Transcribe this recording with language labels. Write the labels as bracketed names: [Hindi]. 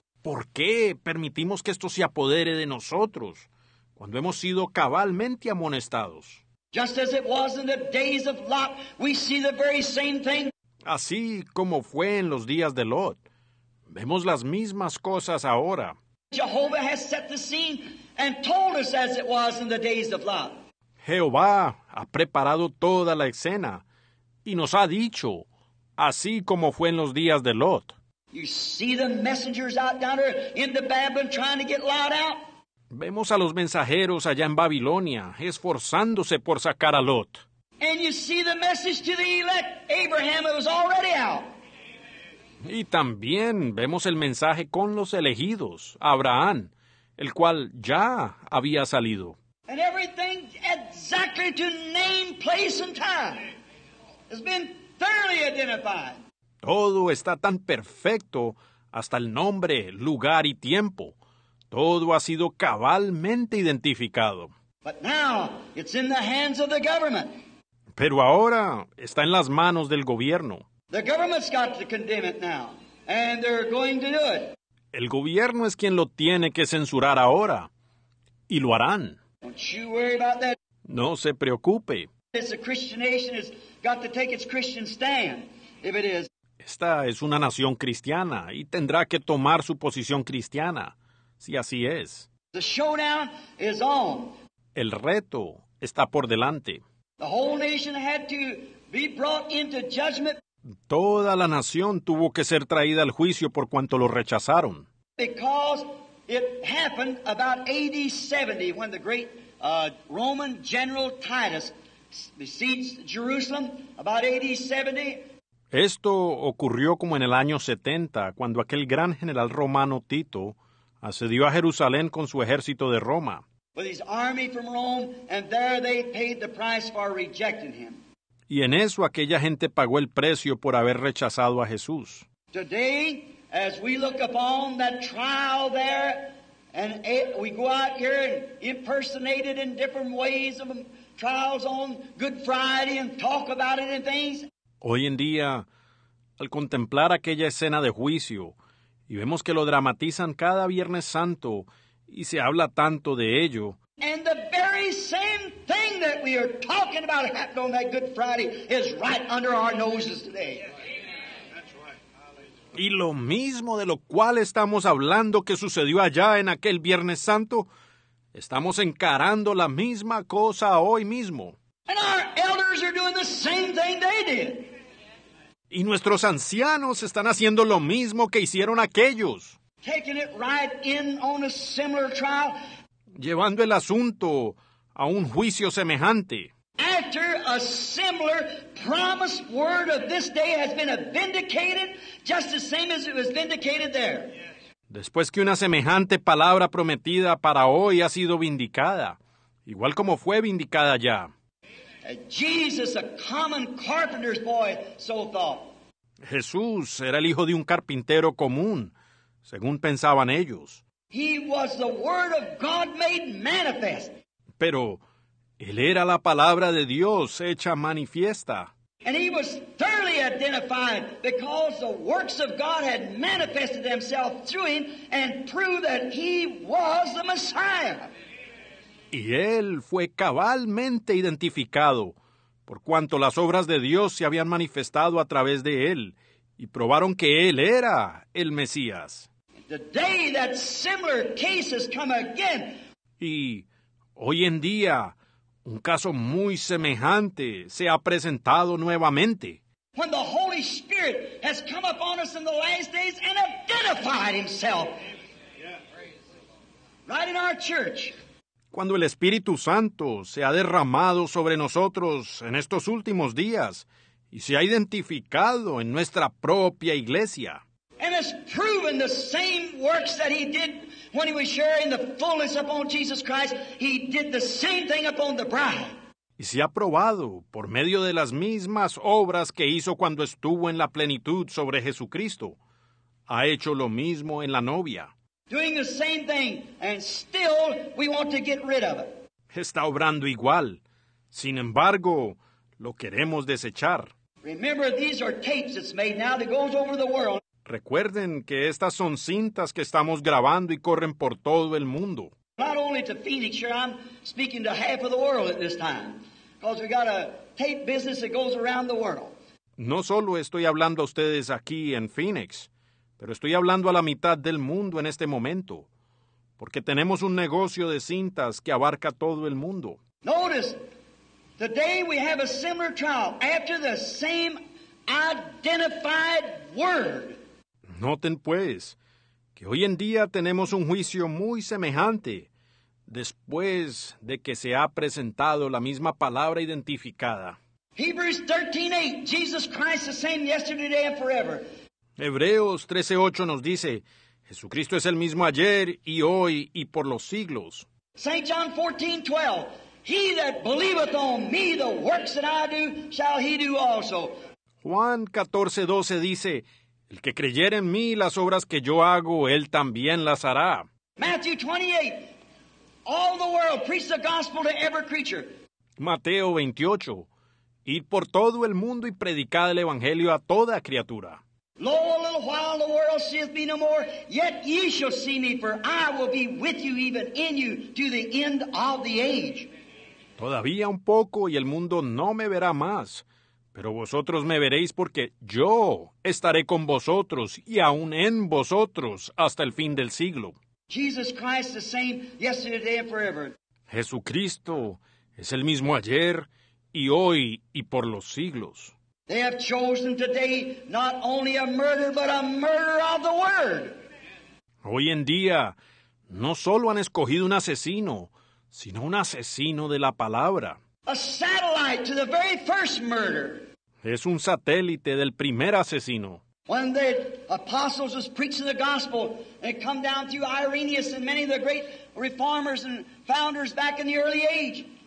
[Spanish] ¿Por qué permitimos que esto se apodere de nosotros cuando hemos sido cabalmente amonestados? [English] Just as it was in the days of Lot, we see the very same thing. [Spanish] Así como fue en los días de Lot, vemos las mismas cosas ahora. [English] Jehovah has set the scene and told us as it was in the days of Lot. [Spanish] Jehová ha preparado toda la escena y nos ha dicho, así como fue en los días de Lot. [English] You see the messengers out down there in the Babylon trying to get Lot out? [Spanish] Vemos a los mensajeros allá en Babilonia esforzándose por sacar a Lot. [English] And you see the message to the elect Abraham, it was already out. [Spanish] Y también vemos el mensaje con los elegidos, Abraham, el cual ya había salido. [English] And everything exactly to name, place and time has been thoroughly identified. [Spanish] Todo está tan perfecto hasta el nombre, lugar y tiempo. Todo ha sido cabalmente identificado. [English] But now, it's in the hands of the government. [Spanish] Pero ahora está en las manos del gobierno. [English] The government's got to condemn it now, and they're going to do it. [Spanish] El gobierno es quien lo tiene que censurar ahora, y lo harán. [English] Don't you worry about that. [Spanish] No se preocupe. [English] It's a Christian nation has got to take its Christian stand, if it is. [Spanish] Esta es una nación cristiana, y tendrá que tomar su posición cristiana. Si así es. [English] The showdown is on. [Spanish] El reto está por delante. [English] The whole nation had to be brought into judgment. [Spanish] Toda la nación tuvo que ser traída al juicio por cuanto lo rechazaron. [English] Because it happened about AD 70 when the great Roman general Titus besieged Jerusalem about AD 70. [Spanish] Esto ocurrió como en el año 70 cuando aquel gran general romano Tito asedió a Jerusalén con su ejército de Roma. [English] With his army from Rome, and there they paid the price for rejecting him. [Spanish] Y en eso aquella gente pagó el precio por haber rechazado a Jesús. [English] Today, as we look upon that trial there, and we go out here and impersonate it in different ways of trials on Good Friday and talk about it and things. [Spanish] Hoy en día, al contemplar aquella escena de juicio, y vemos que lo dramatizan cada Viernes Santo y se habla tanto de ello. [English] And the very same thing that we are talking about happened on that Good Friday is right under our noses today. [Spanish] Y lo mismo de lo cual estamos hablando que sucedió allá en aquel Viernes Santo Estamos encarando la misma cosa hoy mismo. [English] And our elders are doing the same thing they did. [Spanish] Y nuestros ancianos están haciendo lo mismo que hicieron aquellos. [English] Taking it right in on a similar trial. [Spanish] Llevando el asunto a un juicio semejante. [English] After a similar promised word of this day has been vindicated, just the same as it was vindicated there. [Spanish] Después que una semejante palabra prometida para hoy ha sido vindicada, igual como fue vindicada ya. [English] Jesus, a common carpenter's boy, so thought. [Spanish] Jesús era el hijo de un carpintero común, según pensaban ellos. [English] He was the word of God made manifest. [Spanish] Pero él era la palabra de Dios hecha manifiesta. [English] And he was thoroughly identified because the works of God had manifested themselves through him and proved that he was the Messiah. [Spanish] Y él fue cabalmente identificado por cuanto las obras de Dios se habían manifestado a través de él y probaron que él era el Mesías. [English] The day that similar cases come again. [Spanish] Y hoy en día, un caso muy semejante se ha presentado nuevamente. [English] When the Holy Spirit has come upon us in the last days and identified himself. Right in our church. [Spanish] Cuando el Espíritu Santo se ha derramado sobre nosotros en estos últimos días y se ha identificado en nuestra propia iglesia. [English] And has proven the same works that he did when he was sharing the fullness upon Jesus Christ, he did the same thing upon the bride. [Spanish] Y se ha probado por medio de las mismas obras que hizo cuando estuvo en la plenitud sobre Jesucristo. Ha hecho lo mismo en la novia. [English] Doing the same thing, and still we want to get rid of it. [Spanish] Está obrando igual. Sin embargo, lo queremos desechar. [English] Remember, these are tapes that's made now that goes over the world. [Spanish] Recuerden que estas son cintas que estamos grabando y corren por todo el mundo. [English] Not only to Phoenix, sure, I'm speaking to half of the world at this time. Because we've got a tape business that goes around the world. [Spanish] No solo estoy hablando a ustedes aquí en Phoenix, pero estoy hablando a la mitad del mundo en este momento. Porque tenemos un negocio de cintas que abarca todo el mundo. [English] Notice, the day we have a similar trial after the same identified word. [Spanish] Noten, pues, que hoy en día tenemos un juicio muy semejante después de que se ha presentado la misma palabra identificada. [English] Hebrews 13:8, Jesus Christ the same yesterday, today, and forever. [Spanish] Hebreos 13:8 nos dice, Jesucristo es el mismo ayer y hoy y por los siglos. [English] St. John 14:12, He that believeth on me, the works that I do, shall he do also. [Spanish] Juan 14:12 dice, el que creyere en mí, las obras que yo hago, él también las hará. [English] Matthew 28, all the world, preach the gospel to every creature. [Spanish] Mateo 28, id por todo el mundo y predicad el evangelio a toda criatura. [English] Lo, a little while the world seeth me no more, yet ye shall see me, for I will be with you even in you to the end of the age. [Spanish] Todavía un poco y el mundo no me verá más. Pero vosotros me veréis porque yo estaré con vosotros y aún en vosotros hasta el fin del siglo. [English] Jesus Christ the same yesterday, today, and forever. [Spanish] Jesucristo es el mismo ayer y hoy y por los siglos. [English] They have chosen today not only a murder, but a murder of the word. [Spanish] Hoy en día, no solo han escogido un asesino, sino un asesino de la palabra. [English] A satellite to the very first murder. [Spanish] Es un satélite del primer asesino. [English] When the apostles was preaching the gospel, they come down through Irenaeus and many of the great reformers and founders back in the early age.